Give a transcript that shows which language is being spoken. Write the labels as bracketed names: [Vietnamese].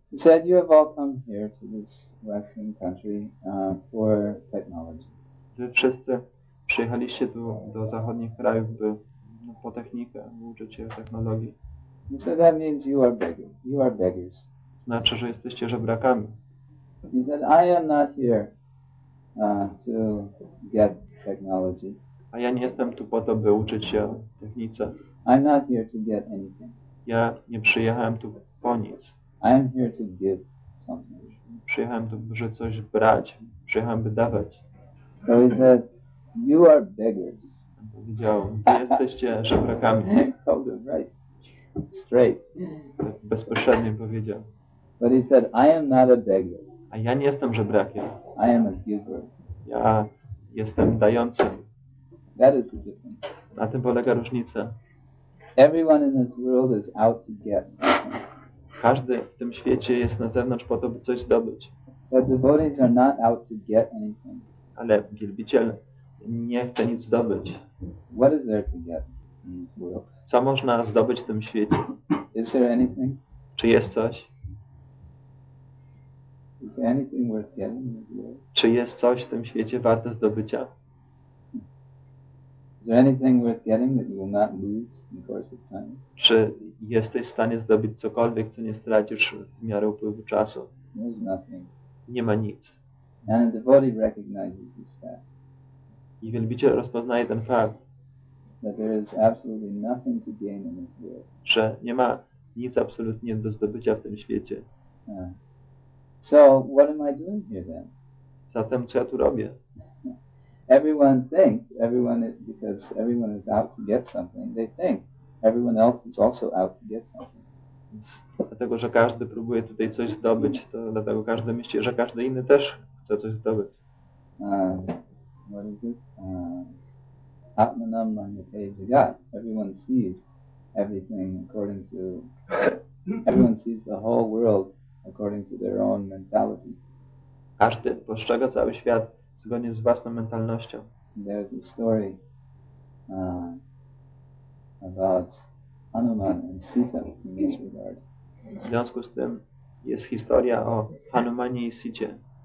[English] He said, "You have all come here to this Western country for technology." [Polish] Wy wszyscy przyjechaliście tu do zachodnich krajów, by po technikę, uczyć się technologii. [English] He said, "That means you are beggars. You are beggars." [Polish] Znaczy, że jesteście żebrakami. [English] He said, "I am not here to get technology." [Polish] A ja nie jestem tu po to, by uczyć się technice. [English] I'm not here to get anything. [Polish] Ja nie przyjechałem tu po nic. [English] I am here to give something. [Polish] Przyjechałem tu, by coś brać. Przyjechałem, by dawać. [English] So he said, "You are beggars." [Polish] Powiedział, wy jesteście żebrakami. [English] Told him right. Straight. [Polish] Bezpośrednio powiedział. [English] But he said, "I am not a beggar." [Polish] A ja nie jestem żebrakiem. [English] I am a giver. [Polish] Ja jestem dającym. [English] That is the difference. [Polish] Na tym polega różnica. [English] Everyone in this world is out to get. [Polish] Każdy w tym świecie jest na zewnątrz po to, by coś zdobyć. [English] But devotees are not out to get anything. [Polish] Ale wielbiciel nie chce nic zdobyć. [English] What is there to get in this world? [Polish] Co można zdobyć w tym świecie? [English] Is there anything? [Polish] Czy jest coś? [English] Is there anything worth getting in this world? [Polish] Czy jest coś w tym świecie warte zdobycia? [English] Is there anything worth getting that you will not lose in the course of time? [Polish] Czy jesteś w stanie zdobyć cokolwiek, co nie stracisz w miarę upływu czasu? [English] There's nothing. [Polish] Nie ma nic. [English] And a devotee recognizes this fact. [Polish] I wielbiciel rozpoznaje ten fakt. [English] That there is absolutely nothing to gain in this world. [Polish] Że nie ma nic absolutnie do zdobycia w tym świecie. [English] So what am I doing here then? [Polish] Zatem co ja tu robię? [English] Everyone thinks, because everyone is out to get something, they think everyone else is also out to get something. [Polish] Dlatego, że każdy próbuje tutaj coś zdobyć, to dlatego każdy myśli, że każdy inny też chce coś zdobyć. [English] What is it? [Sanskrit] Atmanam manyate jagat. [English] Everyone sees everything according to... Everyone sees the whole world according to their own mentality. [Polish] Każdy postrzega cały świat zgodnie z własną mentalnością. [English] There's a story about Hanuman and Sita in this regard. [Polish] W związku z tym jest historia o Hanumanie i Sicie.